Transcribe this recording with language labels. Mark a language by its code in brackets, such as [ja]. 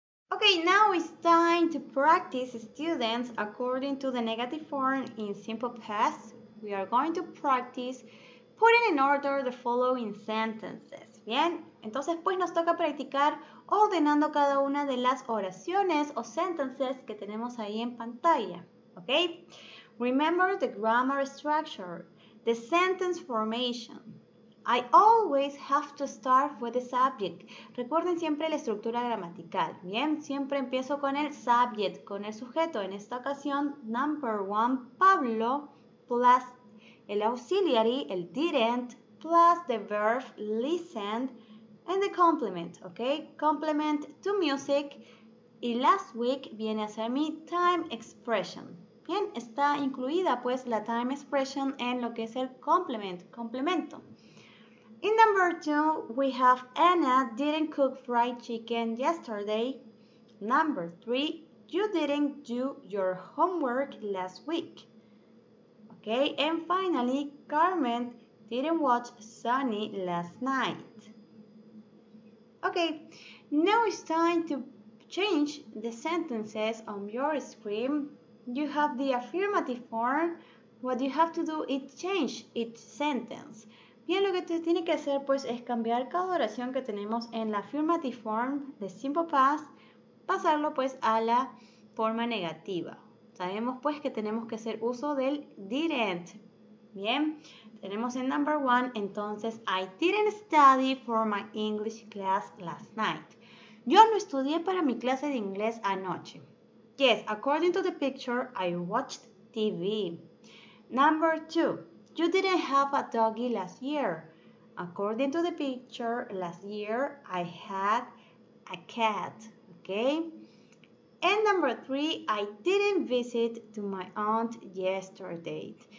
[en] Okay, now it's time to practice students according to the negative form in simple past. We are going to practice putting in order the following sentences. [es] Bien, entonces pues nos toca practicar ordenando cada una de las oraciones o sentences que tenemos ahí en pantalla. [en] Okay? Remember the grammar structure, the sentence formation. I always have to start with the subject. [es] Recuerden siempre la estructura gramatical, ¿bien? Siempre empiezo con el subject, con el sujeto. En esta ocasión, [en] number one, Pablo, plus el auxiliary, el didn't, plus the verb listened, and the complement, ¿ok? Complement to music, y last week [es] viene a ser mi [en] time expression. [es] Bien, está incluida pues la time expression en lo que es el complement, complemento. [en] In number two, we have Anna didn't cook fried chicken yesterday. Number three, you didn't do your homework last week. Okay, and finally, Carmen didn't watch Sunny last night. Okay, now it's time to change the sentences on your screen. You have the affirmative form. What you have to do is change each sentence. [es] Bien, lo que usted tiene que hacer, pues, es cambiar cada oración que tenemos en la affirmative form de simple past, pasarlo, pues, a la forma negativa. Sabemos, pues, que tenemos que hacer uso del didn't. Bien, tenemos en number one, entonces, [en] I didn't study for my English class last night. [es] Yo no estudié para mi clase de inglés anoche. [en] Yes, according to the picture, I watched TV. Number two. You didn't have a doggy last year. According to the picture, last year I had a cat. Okay? And number three, I didn't visit to my aunt yesterday.